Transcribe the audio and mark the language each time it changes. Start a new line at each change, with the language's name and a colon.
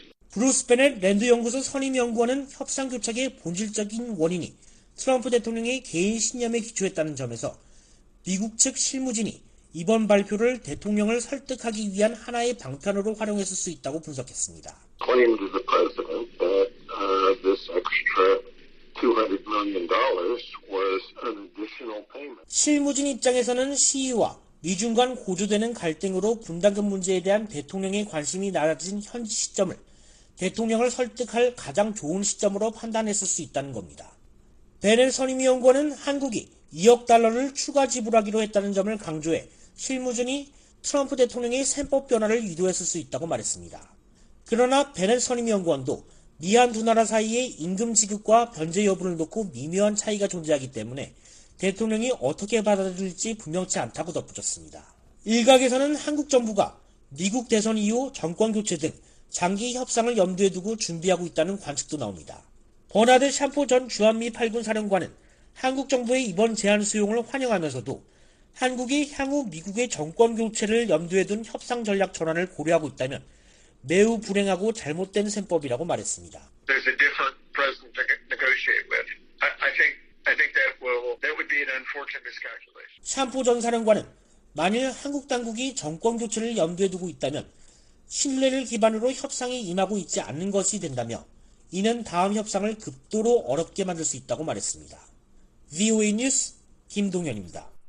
Korean: 브루스 베넷 랜드 연구소 선임 연구원은 협상 교착의 본질적인 원인이 트럼프 대통령의 개인 신념에 기초했다는 점에서 미국 측 실무진이 이번 발표를 대통령을 설득하기 위한 하나의 방편으로 활용했을 수 있다고 분석했습니다.
English: Claimed to the president that this extra $200 million was an additional payment.
Korean: 실무진 입장에서는 시위와 미중 간 고조되는 갈등으로 분담금 문제에 대한 대통령의 관심이 낮아진 현 시점을 대통령을 설득할 가장 좋은 시점으로 판단했을 수 있다는 겁니다. 베넷 선임연구원은 한국이 2억 달러를 추가 지불하기로 했다는 점을 강조해 실무진이 트럼프 대통령의 셈법 변화를 유도했을 수 있다고 말했습니다. 그러나 베넷 선임연구원도 미한 두 나라 사이의 임금 지급과 변제 여부를 놓고 미묘한 차이가 존재하기 때문에 대통령이 어떻게 받아들일지 분명치 않다고 덧붙였습니다. 일각에서는 한국 정부가 미국 대선 이후 정권 교체 등 장기 협상을 염두에 두고 준비하고 있다는 관측도 나옵니다. 버나드 샴포 전 주한미 8군 사령관은 한국 정부의 이번 제안 수용을 환영하면서도 한국이 향후 미국의 정권 교체를 염두에 둔 협상 전략 전환을 고려하고 있다면 매우 불행하고 잘못된 셈법이라고 말했습니다.
English: There's a different president to negotiate with. I think that would be an unfortunate miscalculation.
Korean: 샴포 전 사령관은 만일 한국 당국이 정권 교체를 염두에 두고 있다면 신뢰를 기반으로 협상에 임하고 있지 않는 것이 된다며 이는 다음 협상을 극도로 어렵게 만들 수 있다고 말했습니다. VOA 뉴스 김동현입니다.